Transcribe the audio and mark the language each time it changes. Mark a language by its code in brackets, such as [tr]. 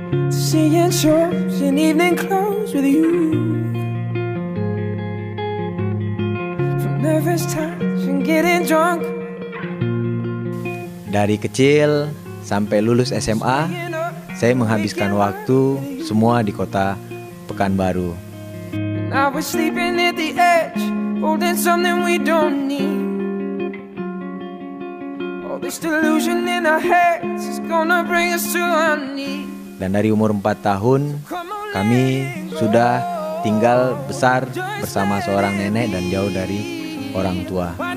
[en] Seeing shows in evening clothes with you. From nervous times and getting drunk. [id] Dari kecil sampai lulus SMA, saya menghabiskan waktu semua di kota Pekanbaru. [en] And I was sleeping at the edge, holding something we don't need. All this delusion in our heads is gonna bring us to our knees. [id] Dan dari umur 4 tahun, kami sudah tinggal besar bersama seorang nenek dan jauh dari orang tua.